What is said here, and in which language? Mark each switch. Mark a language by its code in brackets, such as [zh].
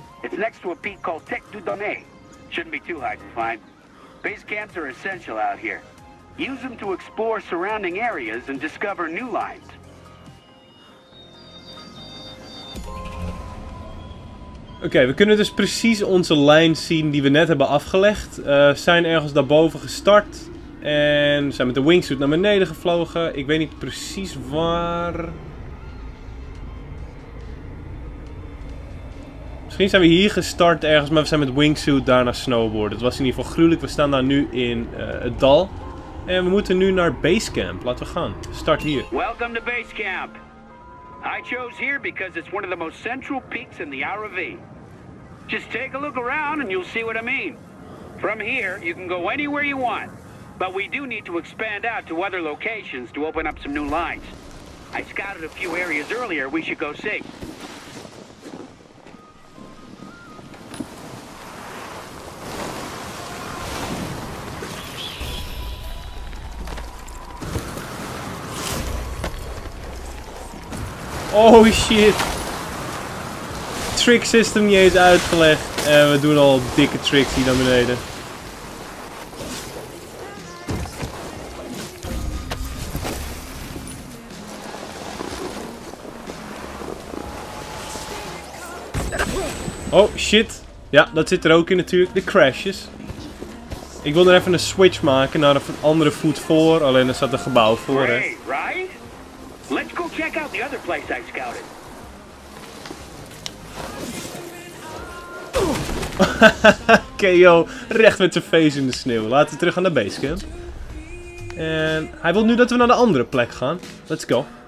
[en] It's next to a peak called Tête du Donné. Shouldn't be too hard to find. Base camps are essential out here. Use them to explore surrounding areas and discover new lines. [nl] Oké, we kunnen dus precies onze lijn zien die we net hebben afgelegd. Zijn ergens daarboven gestart. En zijn met de wingsuit naar beneden gevlogen. Ik weet niet precies waar. Misschien zijn we hier gestart ergens, maar we zijn met wingsuit daarna snowboarden. Het was in ieder geval gruwelijk. We staan daar nu in het dal. En we moeten nu naar Basecamp. Laten we gaan. Start hier. [en] Welkom to Basecamp. I chose here because it's one of the most central peaks in the RV. Just take a look around and you'll see what I mean. From here, you can go anywhere you want. But we do need to expand out to other locations to open up some new lines. I scouted a few areas earlier we should go see. Oh shit! [nl] Trick system niet eens uitgelegd. En we doen al dikke tricks hier naar beneden. [en] Oh shit! [nl] Ja, dat zit er ook in natuurlijk. De crashes. Ik wil er even een switch maken naar een andere voet voor. Alleen er staat een gebouw voor, hè. [en] Let's go check out the other place I scouted. [nl] KO, recht met zijn face in de sneeuw. Laten we terug aan de basecamp. En hij wil nu dat we naar de andere plek gaan. [en] Let's go.